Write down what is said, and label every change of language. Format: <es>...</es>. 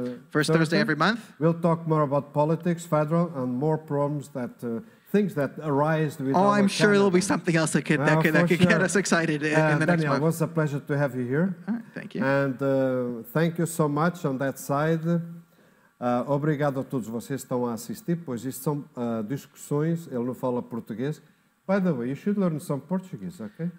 <en>first Thursday every month, we'll talk more about politics, federal, and more problems that, things that arise with Oh, I'm Sure there'll be something else that could get us excited in the next Daniel, month. It was a pleasure to have you here. All right, thank you. And thank you so much on that side.</en> <pt>Obrigado a todos vocês que estão a assistir, pois isto são discussões, ele não fala português.</pt> <en>By the way, you should learn some Portuguese, ok?</en>